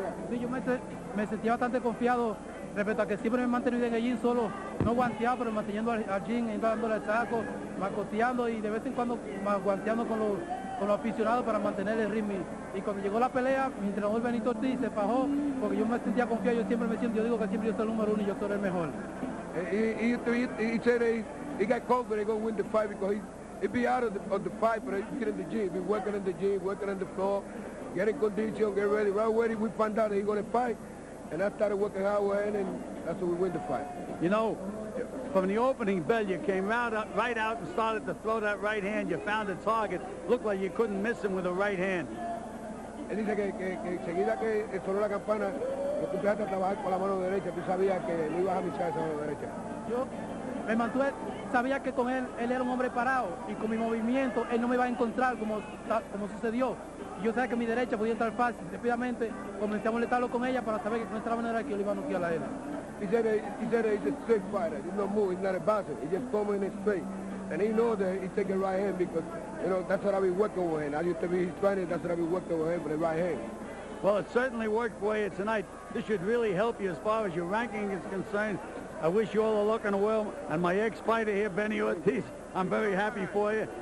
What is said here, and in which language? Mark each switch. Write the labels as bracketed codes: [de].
[es] Sí, yo me sentía bastante confiado respecto a que siempre me he mantenido en el gym solo, no guanteado, pero manteniendo al gym, dándole el saco, macoteando y de vez en cuando guanteando con los aficionados para mantener el ritmo. Y cuando llegó la pelea, mi entrenador Benito Ortiz se fajó porque yo me sentía confiado. Yo siempre me siento, yo digo que siempre yo soy el número uno y yo soy el mejor. [en] He got confident they're going to win the fight because he'd be out of the fight, but he'd get in the gym. He'd be working in the gym, working on the floor, getting condition, get ready. Right away, we found out he's going to fight, and I started working our way in, and that's when we win the fight. You know, from the opening bell, you came right out and started to throw that right hand. You found a target. Looked like you couldn't miss him with a right hand. [es] Él dice que enseguida que sonó la campana, que tú empezaste a trabajar con la mano derecha, tú sabías que no ibas a pisar esa mano derecha. Yo me mantuve. Sabía que con él era un hombre parado y con mi movimiento él no me iba a encontrar como sucedió. Y yo sabía que mi derecha podía entrar fácil. Rápidamente comencé a molestarlo con ella para saber que con esta manera que yo le iba a noquear a él. [en] He said he's a straight fighter. He's not moving. He's not a boxer. He just coming in his face. And he knows that he's taking right hand because, you know, that's what I've been working with him. I used to be his trainer. That's what I've been working with him for the right hand. Well, it certainly worked for you tonight. This should really help you as far as your ranking is concerned. I wish you all the luck in the world, and my ex-fighter here, Benny Ortiz, I'm very happy for you.